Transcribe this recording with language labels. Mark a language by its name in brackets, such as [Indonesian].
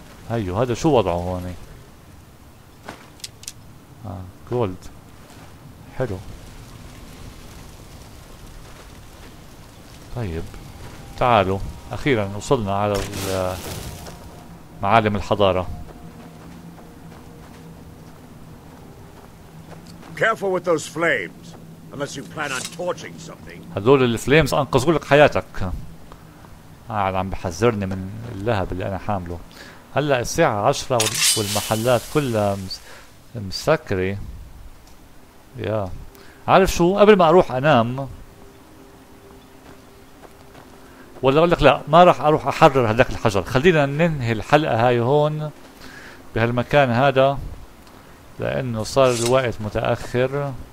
[Arabic] هيو هذا شو وضعه هون؟ جولد حلو. طيب تعالوا اخيرا وصلنا على معالم الحضارة. [English] Careful with those flames unless you plan on torching something. [Arabic] هذول الفليمز انقذوا لك حياتك. عم بحذرني من اللهب اللي انا حامله. هلا الساعة 10 والمحلات كلها مسكرة. يا عارف شو، قبل ما اروح انام ولا اقول لك لا، ما راح اروح احرر هذاك الحجر، خلينا ننهي الحلقة هاي هون بهالمكان هذا لانه صار الوقت متأخر.